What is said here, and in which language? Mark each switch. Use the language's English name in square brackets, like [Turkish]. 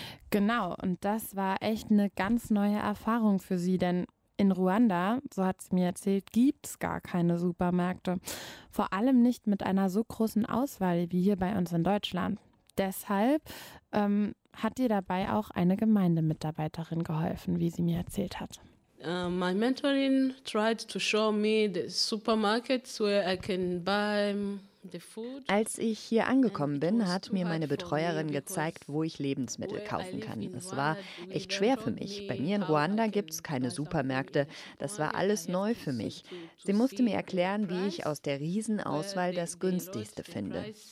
[German] Genau, und das war echt eine ganz neue Erfahrung für sie, denn in Ruanda, so hat sie mir erzählt, gibt es gar keine Supermärkte. Vor allem nicht mit einer so großen Auswahl wie hier bei uns in Deutschland. Deshalb hat ihr dabei auch eine Gemeindemitarbeiterin geholfen, wie sie mir erzählt hat. [English] My mentorin tried to show me the supermarkets where I can buy. [German] Als ich hier angekommen bin, hat mir meine Betreuerin gezeigt, wo ich Lebensmittel kaufen kann. Es war echt schwer für mich. Bei mir in Ruanda gibt es keine Supermärkte. Das war alles neu für mich. Sie musste mir erklären, wie ich aus der Riesenauswahl das günstigste finde.